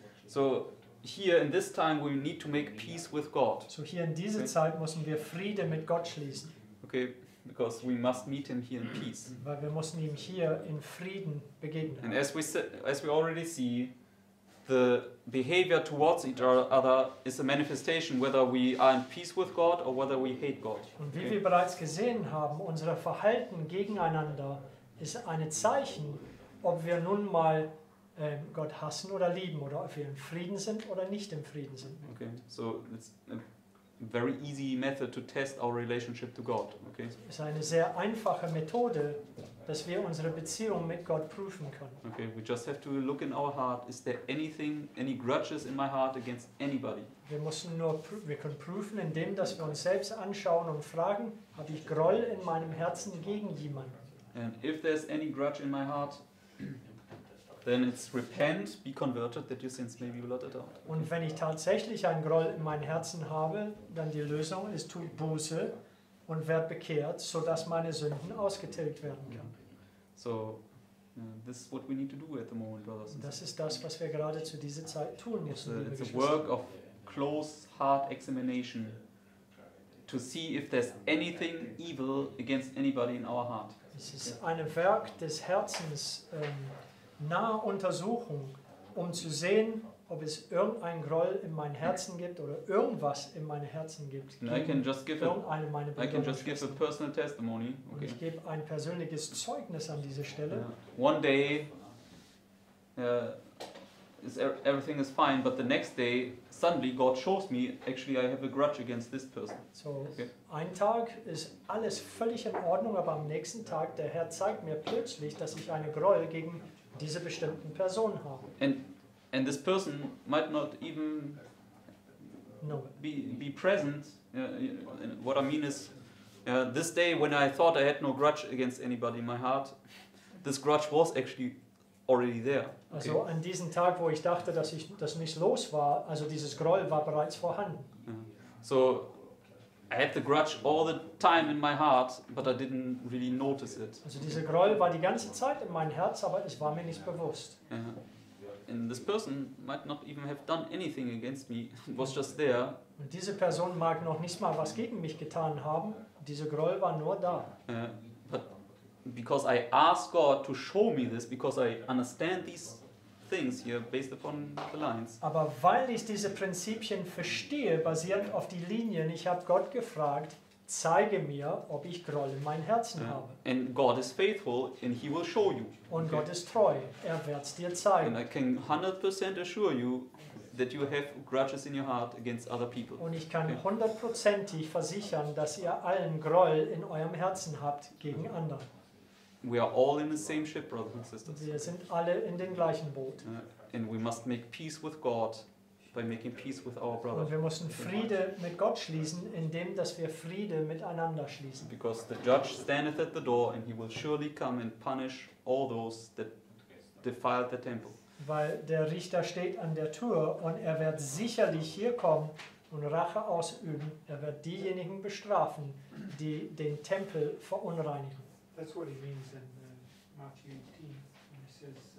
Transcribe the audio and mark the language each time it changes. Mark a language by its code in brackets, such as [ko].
[en] So here in this time we need to make peace with God. [de] So hier in dieser Zeit müssen wir Friede mit Gott schließen. [en] Okay. Because we must meet him here in peace. [de] Weil wir müssen ihm hier in Frieden begegnen. [en] And as we already see, the behavior towards each other is a manifestation whether we are in peace with God or whether we hate God. [de] Und wie wir bereits gesehen haben, unser Verhalten gegeneinander ist ein Zeichen, ob wir nun mal Gott hassen oder lieben, oder ob wir in Frieden sind oder nicht im Frieden sind. [en] Okay, so it's very easy method to test our relationship to God. Okay. [de] Es ist eine sehr einfache Methode, dass wir unsere Beziehung mit Gott prüfen können. [en] Okay, we just have to look in our heart. Is there anything, any grudges in my heart against anybody? [de] Wir können prüfen, indem dass wir uns selbst anschauen und fragen: Habe ich Groll in meinem Herzen gegen jemanden? [en] And if there's any grudge in my heart, then it's repent, be converted, that your sins may be blotted out. [de] Und wenn ich tatsächlich einen Groll in meinem Herzen habe, dann die Lösung ist, tut Buße und werd bekehrt, so dass meine Sünden ausgetilgt werden können. [en] So, this is what we need to do at the moment, brothers. [de] Das ist das, was wir gerade zu dieser Zeit tun müssen. [en] It's a work of close heart examination. to see if there's anything evil against anybody in our heart. [de] Es ist ein Werk des Herzens, nahe Untersuchung, um zu sehen, ob es irgendein Groll in mein Herzen gibt oder irgendwas in mein Herzen gibt. [en] I can just give a personal testimony. Okay. [de] Und ich gebe ein persönliches Zeugnis an dieser Stelle. [en] Yeah. One day everything is fine, but the next day suddenly God shows me actually I have a grudge against this person. So okay. [de] Ein Tag ist alles völlig in Ordnung, aber am nächsten Tag der Herr zeigt mir plötzlich, dass ich eine Groll gegen diese bestimmten Person habe. [en] And this person might not even be present. What I mean is, this day when I thought I had no grudge against anybody in my heart, this grudge was actually already there. Okay. [de] Also an diesem Tag, wo ich dachte, dass ich das nicht los war, also dieses Groll war bereits vorhanden. [en] Yeah. So I had the grudge all the time in my heart, but I didn't really notice it. [de] Also dieser Groll war die ganze Zeit in meinem Herz, aber es war mir nicht bewusst. [en] Yeah. And this person might not even have done anything against me. Was just there. [de] Und diese Person mag noch nicht mal was gegen mich getan haben. Diese Groll war nur da. [en] But because I asked God to show me this, because I understand these things here based upon the lines. [de] Aber weil ich diese Prinzipien verstehe, basierend auf die Linien, ich habe Gott gefragt, zeige mir, ob ich Groll in meinem Herzen habe. [en] And God is faithful and he will show you. [de] Und okay. Gott ist treu, er wird es dir zeigen. [en] And I can 100% assure you that you have grudges in your heart against other people. [de] Und ich kann hundertprozentig versichern, dass ihr allen Groll in eurem Herzen habt gegen andere. [en] We are all in the same ship, brothers and sisters. [de] Wir sind alle in dem gleichen Boot. [en] And we must make peace with God. By making peace with our brother. [de] Und wir müssen Friede mit Gott schließen, indem dass wir Friede miteinander schließen. [en] Because the judge standeth at the door, and he will surely come and punish all those that defiled the temple. [de] Weil der Richter steht an der Tür und er wird sicherlich hier kommen und Rache ausüben. Er wird diejenigen bestrafen, die den Tempel verunreinigen. [en] That's what he means in Matthew 18, when he says.